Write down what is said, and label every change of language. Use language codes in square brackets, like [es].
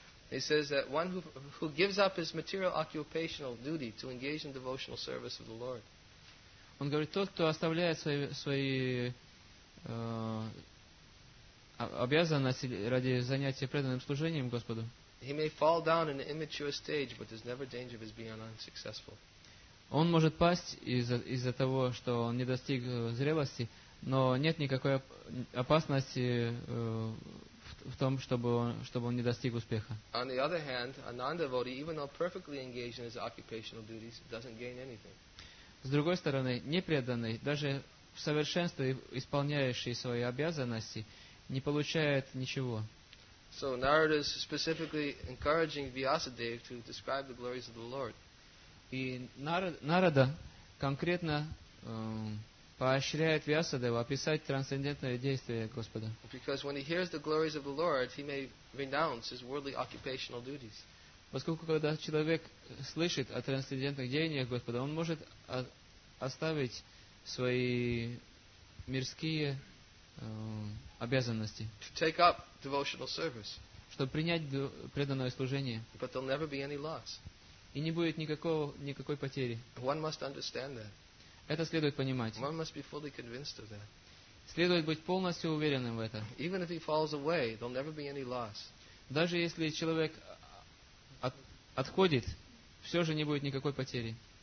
[en] He says that one who gives up his material occupational duty to engage in devotional service of the Lord. [ru] Он говорит, тот, кто оставляет свои обязанности ради занятия преданным служением Господу. [en] He may fall down in an immature stage, but there's never danger of his being unsuccessful. [ru] Он может пасть из-за того, что он не достиг зрелости, но нет никакой опасности в том, чтобы он не достиг успеха. [en] On the other hand, a non-devotee, even though perfectly engaged in his occupational duties, doesn't gain anything. [ru] С другой стороны, непреданный, даже в совершенстве исполняющий свои обязанности, не получает ничего. [en] So Narada is specifically encouraging Vyasadeva to describe the glories of the Lord. [ru] И Нарада конкретно поощряет Вьясадеву описать трансцендентное действие Господа. [en] Because when he hears the glories of the Lord, he may renounce his worldly occupational duties. [ru] Поскольку когда человек слышит о трансцендентных деяниях Господа, он может оставить свои мирские обязанности. [en] To take up devotional service. [ru] Чтобы принять преданное служение. [en] But there'll never be any loss. [ru] И не будет никакой потери. [en] One must understand that. [ru] Это следует понимать. [en] One must be fully convinced of that. [ru] Следует быть полностью уверенным в этом. [en] Even if he falls away, there'll never be any loss. [ru] Даже если человек отходит, все же не будет никакой потери.